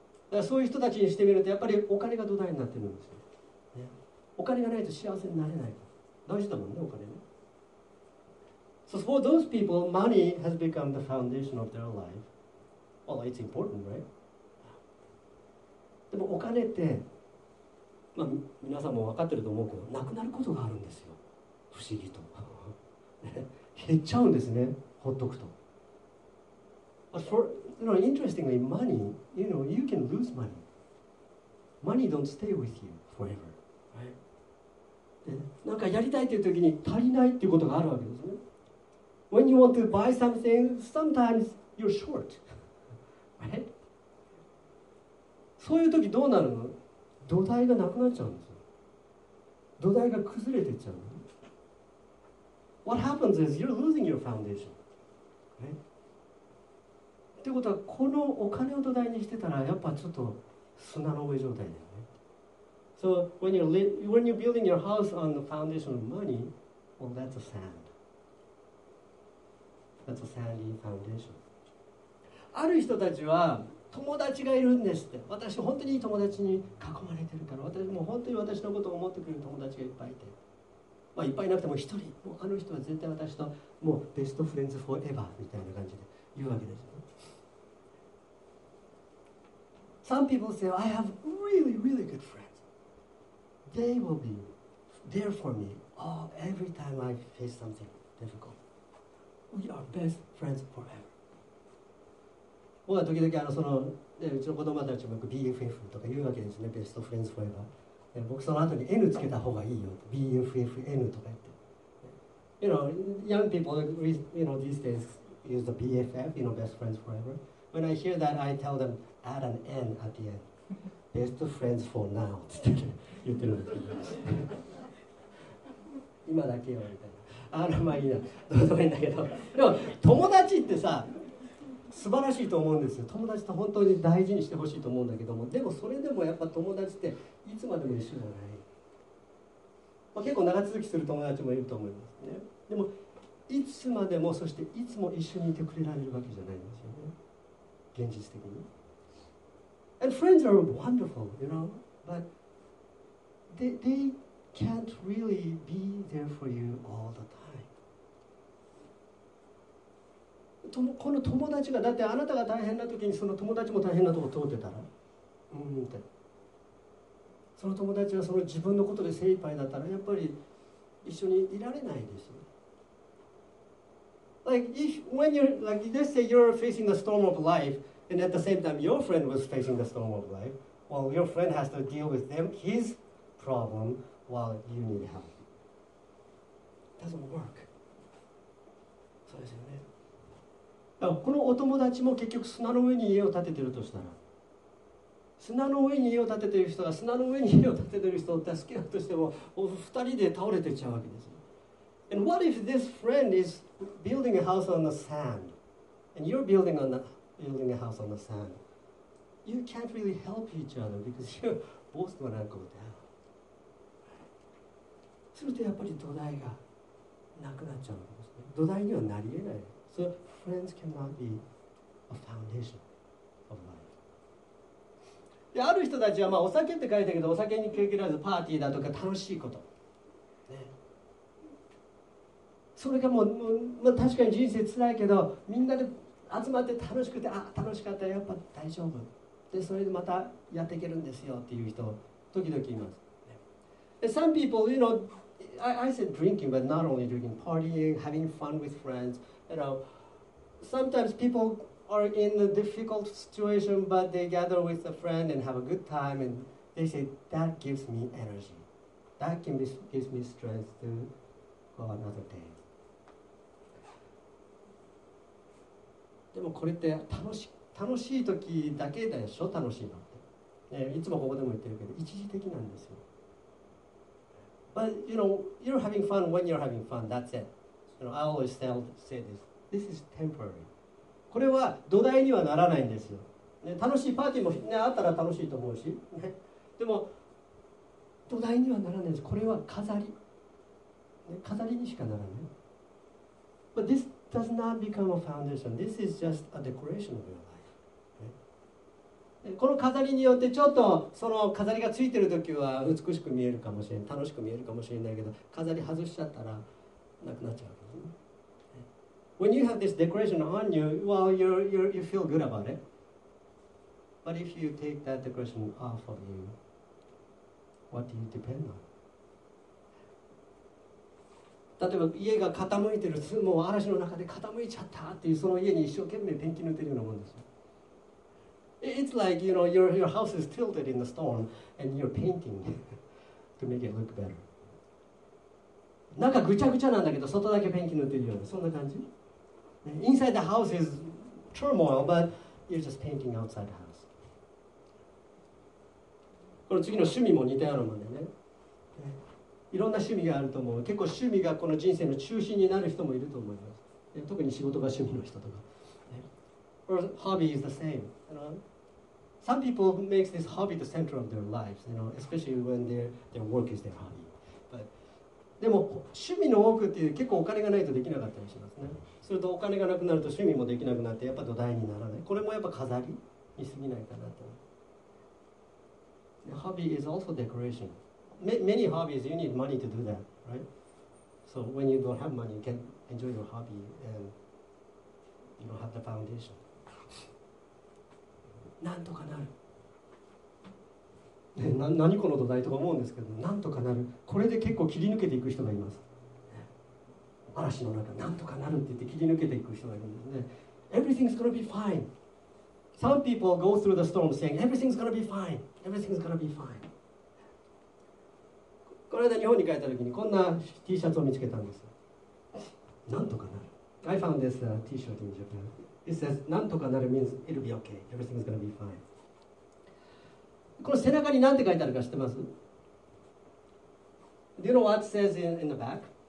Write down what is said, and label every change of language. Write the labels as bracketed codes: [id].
[ja] だからそういう人たちにしてみるとやっぱりお金が土台になってるんですよ、ね、お金がないと幸せになれない大事だもんねお金ね [en] So for those people, money has become the foundation of their life. Well, it's important, right? [ja] でもお金って、まあ、皆さんも分かってると思うけどなくなることがあるんですよ不思議と減っちゃうんですねほっとくと [en] For, interestingly, money, you know, you can lose money. Money don't stay with you forever. Right? [ja] なんかやりたいっていう時に足りないっていうことがあるわけですね。 [en] When you want to buy something, sometimes you're short. Right? [ja] そういう時どうなるの?土台がなくなっちゃうんですよ。土台が崩れていっちゃう。 [en] What happens is you're losing your foundation. Right? [ja] ってことは、このお金を土台にしてたら、やっぱちょっと砂の上状態だよね。 [en] So when you're building your house on the foundation of money, well, that's a sand. That's a sandy foundation. [ja] ある人たちは、友達がいるんですって。私、本当にいい友達に囲まれてるから、私も本当に私のことを思ってくれる友達がいっぱいいて。まあ、いっぱいなくても一人、もうあの人は絶対私ともうベストフレンズフォーエバーみたいな感じで言うわけですよ。 [en] Some people say, I have really, really good friends. They will be there for me every time I face something difficult. We are best friends forever. [ja] 僕は時々うちの子供たちもよく BFF とか言うわけですね、ベストフレンズフォーエバー。僕その後に N つけた方がいいよ、BFFN とか言って。 [en] You know, young people, you know, these days use the BFF, you know, best friends forever. When I hear that, I tell them, add an N at the end. Best friends for now, [ja] って言ってるんですけど。今だけよ、みたいな。あら、まあいいな。どうでもいいんだけど。でも、友達ってさ、素晴らしいと思うんですよ。友達って本当に大事にしてほしいと思うんだけども、でもそれでもやっぱ友達っていつまでも一緒じゃない。まあ、結構長続きする友達もいると思いますね。でも、いつまでもそしていつも一緒にいてくれられるわけじゃないんですよね。現実的に。 [en] And friends are wonderful, you know, but they can't really be there for you all the time. [ja] この友達が、だってあなたが大変な時にその友達も大変なとこ通ってたら、うんって。その友達はその自分のことで精一杯だったら、やっぱり一緒にいられないですよ。 [en] Like, if, when you're, like, let's say you're facing the storm of life, and at the same time your friend was facing the storm of life, well, your friend has to deal with them, his problem, while you need help. It doesn't work. [ja] そうですよね。このお友達も結局砂の上に家を建ててるとしたら、砂の上に家を建ててる人が砂の上に家を建ててる人を助けようとしても、お二人で倒れてっちゃうわけです。 [en] And what if this friend is building a house on the sand and you're building, on the, building a house on the sand? You can't really help each other because you're both gonna go down. [ja] するとやっぱり土台がなくなっちゃうわけですね。土台にはなりえない。 [en] So,Friends cannot be a foundation of life. [ja] で、ある人たちは、まあ、お酒って書いてあるけど、お酒に限らずパーティーだとか楽しいこと、ね、それがもう確かに人生つらいけど、みんなで集まって楽しくて、あ、楽しかった、やっぱ大丈夫で、それでまたやっていけるんですよっていう人時々います、ね、 [en] Some people, you know, I said drinking, but not only drinking, partying, having fun with friends, you knowSometimes people are in a difficult situation, but they gather with a friend and have a good time, and they say, that gives me energy. That gives me strength to go another day. [ja] でもこれって楽しい時だけでしょ、楽しいのって。いつもここでも言ってるけど、一時的なんですよ。 [en] But, you know, you're having fun when you're having fun, that's it. You know, I always say this. This is temporary. [ja] これは土台にはならないんですよ。ね、楽しいパーティーも、ね、あったら楽しいと思うし、ね、でも土台にはならないです。これは飾り、ね、飾りにしかならない。 [en] But this does not become a foundation. This is just a decoration of your life.、 [ja] ね、この飾りによってちょっとその飾りがついてるときは美しく見えるかもしれない、楽しく見えるかもしれないけど、飾り外しちゃったらなくなっちゃう。 [en] When you have this decoration on you, well, you feel good about it. But if you take that decoration off of you, what do you depend on? [ja] 例えば家が傾いてる、もう嵐の中で傾いちゃったっていう、その家に一生懸命ペンキ塗ってるようなもんですよ。 [en] It's like, you know, your house is tilted in the storm and you're painting to make it look better. [ja] なんかぐちゃぐちゃなんだけど、外だけペンキ塗ってるような、そんな感じ。 [en] Inside the house is turmoil, but you're just painting outside the house. [ja] この次の趣味も似たようなもんでね。いろんな趣味があると思う。結構趣味がこの人生の中心になる人もいると思います。特に仕事が趣味の人とか。 [en] Or hobby is the same. You know? Some people make this hobby the center of their lives, you know? Especially when their work is their hobby. [ja] But, でも趣味の多くっていう結構お金がないとできなかったりしますね。するとお金がなくなると趣味もできなくなってやっぱ土台にならない。これもやっぱ飾りに過ぎないかなと。 [en] Hobby is also decoration. Many hobbies, you need money to do that, right? So when you don't have money, you can enjoy your hobby and you don't have the foundation. [ja] なんとかなる。何この土台とか思うんですけど、なんとかなる。これで結構切り抜けていく人がいます。嵐の中、なんとかなるって言って切り抜けていく人がいるんですね。 [en] Everything's gonna be fine. Some people go through the storm saying, everything's gonna be fine. Everything's gonna be fine. [ja] この間日本に帰った時にこんな T シャツを見つけたんです。 [en] なんとかなる。I found this T-shirt in Japan. It says, なんとかなる means it'll be okay. Everything's gonna be fine. [ja] この背中に何て書いてあるか知ってます？ [en] Do you know what it says in the back?